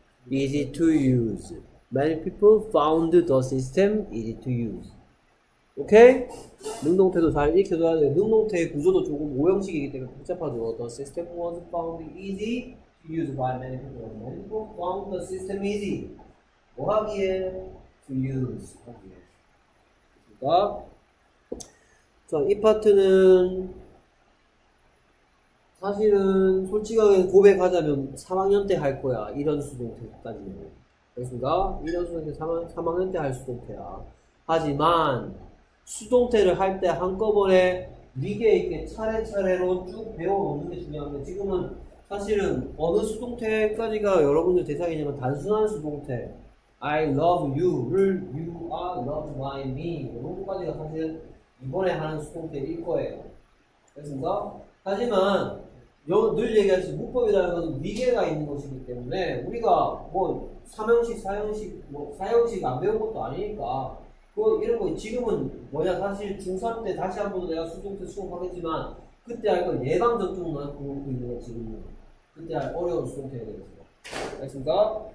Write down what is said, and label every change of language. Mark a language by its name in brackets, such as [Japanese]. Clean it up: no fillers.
[English] easy to use. Many people found the system easy to use. [Korean] 오케이? 능동태도 잘 익혀줘야 돼. 능동태의 구조도 조금 오형식이기 때문에 복잡하죠. [English] The system was found easy to use by many people. Many people found the system easy. [Korean] 뭐 하기에? [English] To use. 하기에. [Korean] 됐습니까? 자, 이 파트는 사실은 솔직하게 고백하자면 3학년 때 할 거야. 이런 수동태까지는. 알겠습니까? 이런 수동태 3학년 때 할 수동태야. 하지만, 수동태를 할 때 한꺼번에 위계 있게 차례차례로 쭉 배워놓는 게 중요한데, 지금은 사실은 어느 수동태까지가 여러분들 대상이냐면 단순한 수동태. [English] I love you를 you are loved by me. [Korean] 이런 것까지가 사실 이번에 하는 수동태일 거예요. 알겠습니까? 하지만, 늘 얘기하듯이 문법이라는 것은 위계가 있는 것이기 때문에 우리가 뭐 3형식, 4형식, 뭐 4형식 안 배운 것도 아니니까 그 이런 거 지금은 뭐냐 사실 중3 때 다시 한 번 내가 수동태 수업하겠지만 그때 할 건 예방접종을 갖고 있는 거 지금은 그때 할 어려운 수동태가 되겠습니다. 알겠습니까?